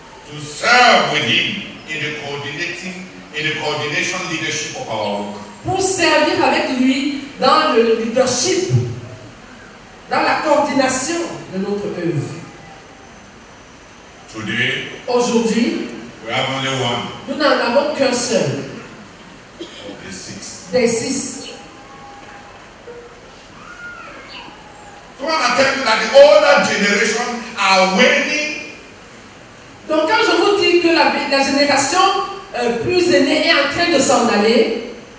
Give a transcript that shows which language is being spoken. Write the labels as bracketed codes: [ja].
[en] To serve with him in the coordinating, in the coordination leadership of our work. [fr] Pour servir avec lui dans le leadership, dans la coordination de notre œuvre. [en] Today, [fr] aujourd'hui, [en] we have only one. [fr] Nous n'en avons qu'un seul. Des 6. [en] I want to tell you that the older generation are waiting. [fr] Donc quand je vous dis que la génération plus aînée est en train de s'en aller,